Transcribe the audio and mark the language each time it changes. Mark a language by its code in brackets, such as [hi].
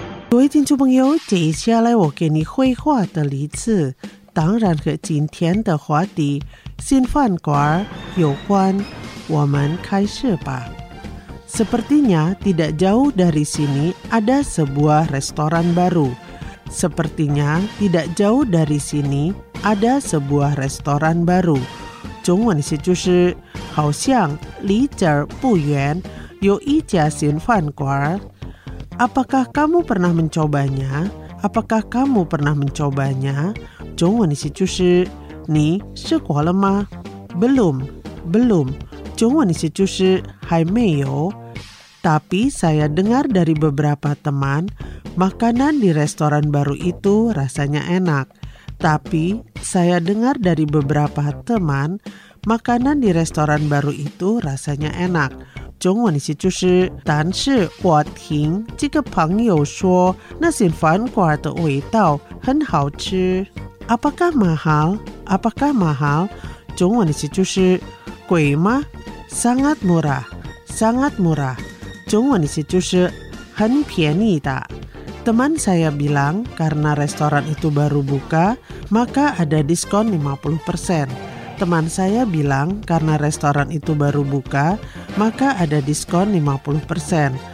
[zh] 各位听众朋友，接下来我给你绘画的例子，当然和今天的话题新饭馆有关。我们开始吧。 [id] Sepertinya tidak jauh dari sini ada sebuah restoran baru. Sepertinya tidak jauh dari sini ada sebuah restoran baru. [zh] 中文是就是好像离这儿不远有一家新饭馆。 [id] Apakah kamu pernah mencobanya? Apakah kamu pernah mencobanya? [zh] 中文的意思就是你试过了吗？Belum 中文的意思就是还没有。 [id] Tapi saya dengar dari beberapa teman makanan di restoran baru itu rasanya enak. Tapi saya dengar dari beberapa teman Makanan di restoran baru itu rasanya enak. [zh] 中文的意思就是，但是我听这个朋友说，那些饭馆的味道很好吃。 [id] Apakah mahal? Apakah mahal? [zh] 中文的意思就是贵吗？ [id] Sangat murah. Sangat murah. [zh] 中文的意思就是很便宜的。 [id] Teman saya bilang karena restoran itu baru buka, maka ada diskon 50%. Teman saya bilang karena restoran itu baru buka, maka ada diskon 50%.